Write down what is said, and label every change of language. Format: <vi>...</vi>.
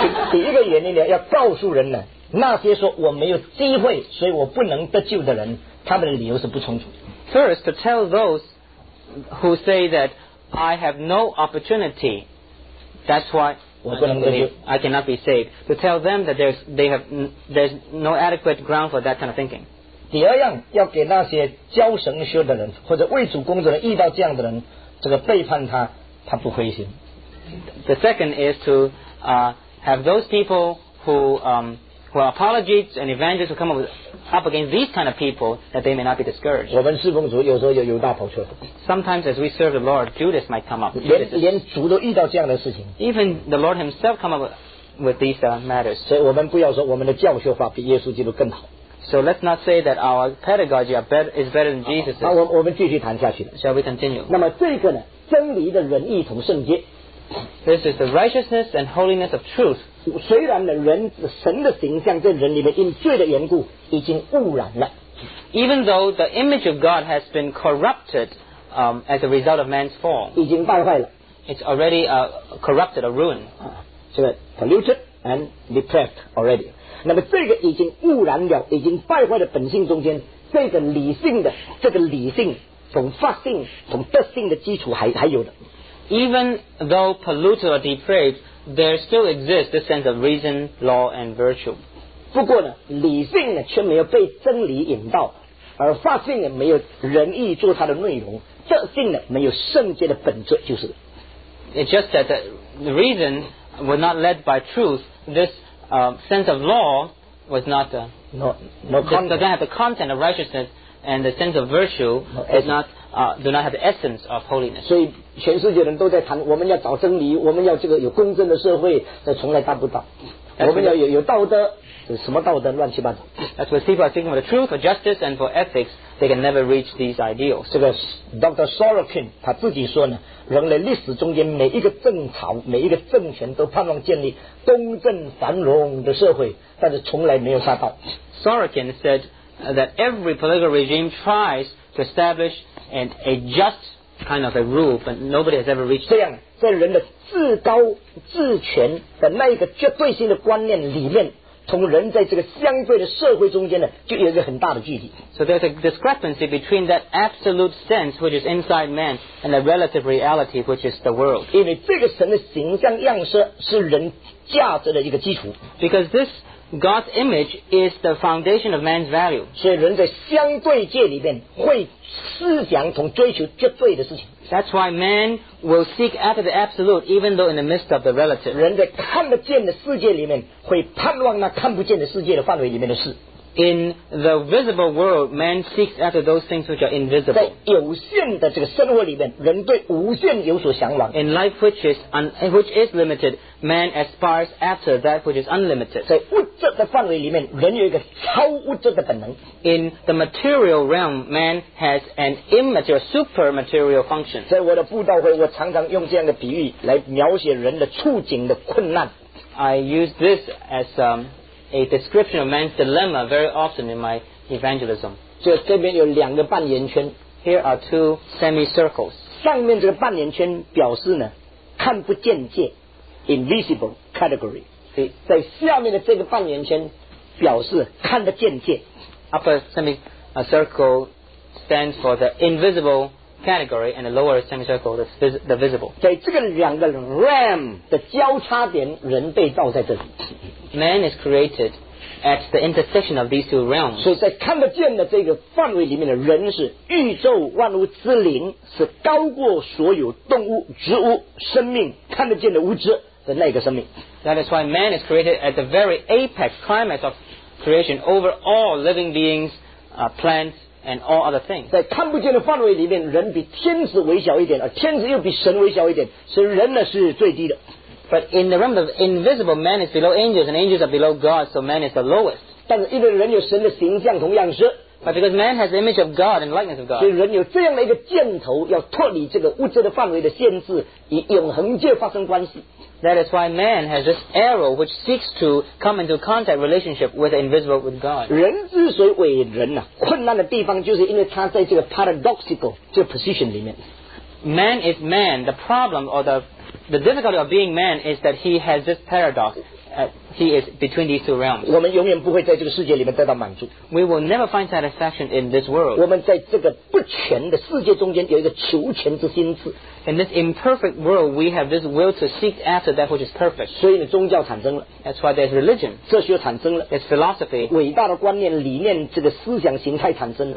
<zh>第一个原因呢，要告诉人呢，那些说我没有机会，所以我不能得救的人，他们的理由是不充足。</zh> <en>First, to tell those who say that I have no opportunity, that's why. I cannot be saved. To tell them that there's no adequate ground for that kind of thinking.</en> <zh>第二样要给那些教神学的人或者为主工作的遇到这样的人这个背叛他他不灰心</zh> <en>The second is to have those people who are apologists and evangelists who come up against these kind of people that they may not be discouraged</en> <zh>我们侍奉主有时候有犹大跑出来</zh> <en>Sometimes as we serve the Lord Judas might come up</en> <zh>连主都遇到这样的事情</zh> <en>Even the Lord himself come up with these matters</en> <zh>所以我们不要说我们的教学法比耶稣基督更好</zh> <en>So let's not say that our pedagogy is better than Jesus.</en> <zh>那我们继续谈下去。</zh> <en>Shall we continue?</en> <zh>那么这个呢，真理的仁义同圣洁。</zh> <en>This is the righteousness and holiness of truth.</en> <zh>虽然呢，人神的形象在人里面因罪的缘故已经污染了。</zh> <en>Even though the image of God has been corrupted, as a result of man's fall,</en> <zh>已经败坏了。</zh> <en>It's already corrupted, a ruin. 这个 polluted and depraved already.</en> <zh>那么这个已经污染了已经败坏的本性中间这个理性的这个理性从发性从德性的基础 还有的</zh> <en>Even though polluted or depraved there still exists the sense of reason, law and virtue</en> <zh>不过呢理性呢却没有被真理引导而发性没有仁义做它的内容德性呢没有圣洁的本质就是</zh> <en>It's just that the reason was not led by truth thisSense of law was not the content. Doesn't have the content of righteousness, and the sense of virtue does not have the essence of holiness.</en> <zh>所以全世界人都在谈，我们要找真理，我们要这个有公正的社会，这从来达不到。我们要 有道德，什么道德乱七八糟。</zh> <en>As for people are thinking for the truth, for justice, and for ethics, they can never reach these ideals.</en> <zh>这个 Dr. Sorokin 他自己说呢，人类历史中间每一个政朝、每一个政权都盼望建立公正繁荣的社会，但是从来没有杀到。</zh> <en>Sorokin said that every political regime tries to establish a just kind of a rule, but nobody has ever reached.</en> <zh>这样，在人的至高至权的那一个绝对性的观念里面，从人在这个相对的社会中间呢，就有一个很大的距离。</zh> <en>So there's a discrepancy between that absolute sense which is inside man and the relative reality which is the world.</en> <zh>因为这个神的形象样式是人价值的一个基础。</zh> <en>Because this God's image is the foundation of man's value.</en> <zh>所以人在相对界里面会思想从追求绝对的事情。</zh> <en>That's why man will seek after the absolute, even though in the midst of the relative.</en> <zh>人在看得见的世界里面，会盼望那看不见的世界的范围里面的事。</zh> <en>In the visible world, man seeks after those things which are invisible.</en> <zh>在有限的这个生活里面，人对无限有所向往。</zh> <en>In life which is limited, man aspires after that which is unlimited.</en> <zh>在物质的范围里面，人有一个超物质的本能。</zh> <en>In the material realm, man has an immaterial, supermaterial function.</en> <zh>在我的布道会，我常常用这样的比喻来描写人的处境的困难。</zh> <en>I use this as a description of man's dilemma very often in my evangelism.</en> <zh>就这边有两个半圆圈。</zh> <en>Here are two semicircles.</en> <zh>上面这个半圆圈表示呢，看不见界 ，</zh> <en>invisible category.</en> <zh>在下面的这个半圆圈表示看得见界。</zh> <en>Upper semicircle stands for the invisible category, and the lower semicircle is the visible.</en> <zh>在这个两个 realm 的交叉点，人被造在这里。</zh> <en>Man is created at the intersection of these two realms.</en> <zh>所以在看得见的这个范围里面的人是宇宙万物之灵，是高过所有动物、植物、生命看得见的物质的那个生命。</zh> <en>That is why man is created at the very apex climax of creation over all living beings, plants, and all other things.</en> <zh>在看不见的范围里面，人比天使微小一点，而天使又比神微小一点，所以人呢是最低的。</zh> <en>But in the realm of invisible, man is below angels, and angels are below God, so man is the lowest.</en> <zh>但是因为人有神的形象同样式。</zh> <en>But because man has the image of God and likeness of God.</en> <zh>所以人有这样的一个箭头，要脱离这个物质的范围的限制，与永恒界发生关系。</zh> <en>That is why man has this arrow which seeks to come into contact relationship with the invisible with God.</en> <zh>人之所以为人啊，困难的地方就是因为他在这个 paradoxical 这个 position 里面。</zh> <en>Man is man, the problem or the difficulty of being man is that he has this paradox. He is between these two realms.</en> <zh>我们永远不会在这个世界里面得到满足。</zh> <en>We will never find satisfaction in this world.</en> <zh>我们在这个不全的世界中间有一个求全之心智。</zh> <en>In this imperfect world, we have this will to seek after that which is perfect.</en> <zh>所以呢，宗教产生了。</zh> <en>That's why there's religion.</en> <zh>哲学产生了。</zh> <en>There's philosophy.</en> <zh>伟大的观念、理念、这个思想形态产生了。</zh>